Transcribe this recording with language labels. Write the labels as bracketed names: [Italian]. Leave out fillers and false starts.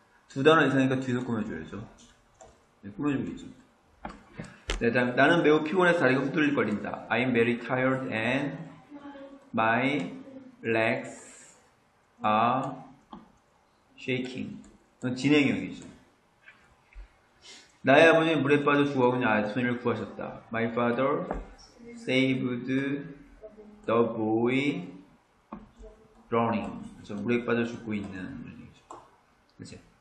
[Korean] 두 단어 이상이니까 뒤도 꾸며줘야죠. 꾸며주고 있죠. 다음, 나는 매우 피곤해서 다리가 후들거린다. [English] I'm very tired and my legs are shaking. [Korean] 진행형이죠. 나의 아버지는 물에 빠져 죽어 그냥 아주머니를 구하셨다. [English] My father saved the boy drowning. [Korean] 그렇죠? 물에 빠져 죽고 있는 얘기죠. 그치?